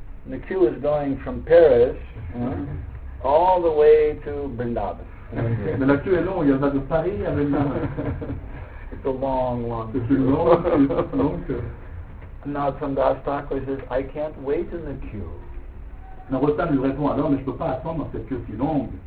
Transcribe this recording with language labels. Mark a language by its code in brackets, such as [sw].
[en] The queue is going from Paris all the way to Vrindavan. [fr] Mais la queue est longue, il y en a de Paris à Vrindavan. [en] It's a long, long queue. [fr] C'est une longue queue. [en] Narottam Dastako says, I can't wait in the queue. [fr] Narottam lui répond alors, mais je ne peux pas attendre dans cette queue si longue.